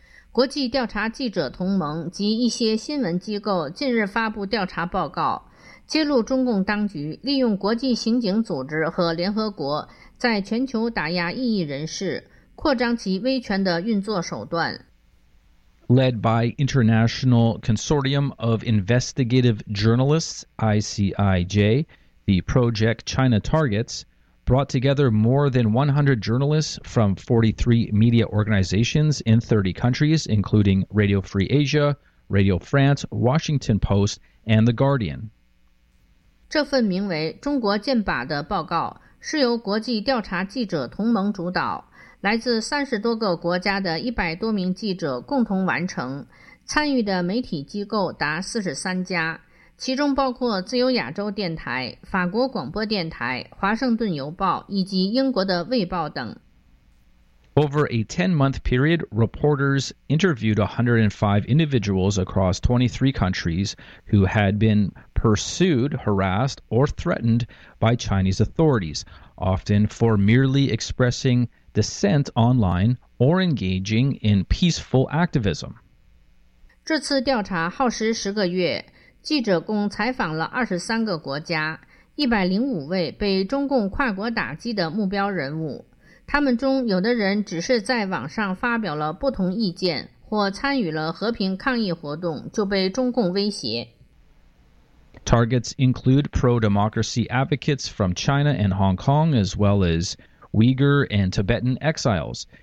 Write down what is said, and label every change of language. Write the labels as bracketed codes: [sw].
[zh] 国际调查记者同盟及一些新闻机构近日发布调查报告，揭露中共当局利用国际刑警组织和联合国在全球打压异议人士，扩张其威权的运作手段。 [en] Led by International Consortium of Investigative Journalists, ICIJ,The Project China Targets brought together more than 100 journalists from 43 media organizations in 30 countries, including Radio Free Asia, Radio France, Washington Post, and The Guardian. [zh] 这份名为《中国剑靶》的报告是由国际调查记者同盟主导，来自30多个国家的100多名记者共同完成，参与的媒体机构达43家。其中包括自由亚洲电台、法国广播电台、华盛顿邮报以及英国的卫报等。 [en] Over a 10-month period, reporters interviewed 105 individuals across 23 countries who had been pursued, harassed, or threatened by Chinese authorities, often for merely expressing dissent online or engaging in peaceful activism. [zh] 这次调查耗时10个月。记者共采访了23个国家，105位被中共跨国打击的目标人物。他们中有的人只是在网上发表了不同意见，或参与了和平抗议活动，就被中共威胁。 [en] Targets include pro-democracy advocates from China and Hong Kong, as well as Uyghur and Tibetan exiles.